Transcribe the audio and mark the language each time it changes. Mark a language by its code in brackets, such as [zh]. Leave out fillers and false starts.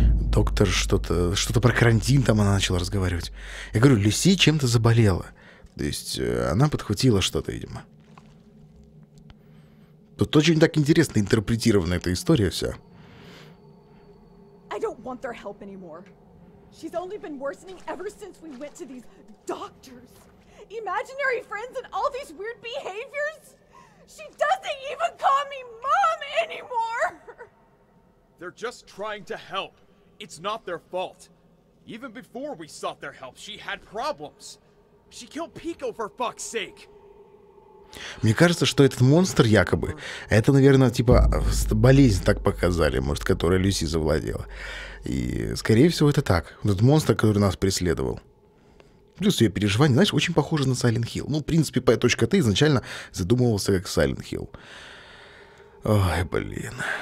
[ru] Доктор что-то про карантин там она начала разговаривать. Я говорю, Люси чем-то заболела. То есть она подхватила что-то, видимо. Тут очень так интересно интерпретирована эта история вся. [en] I don't want their help anymore. She's only been worsening ever since we went to these doctors. Imaginary friends and all these weird behaviors. She doesn't even call me mom anymore. They're just trying to help. It's not their fault. Even before we sought their help, she had problems. She killed Pico for fuck's sake. [ru] Мне кажется, что этот монстр якобы, это, наверное, типа болезнь так показали, может, которая Люси завладела. И, скорее всего, это так. Этот монстр, который нас преследовал. Плюс ее переживание, знаешь, очень похоже на Silent Hill. Ну, в принципе, P.T изначально задумывался как Silent Hill. Ой, блин.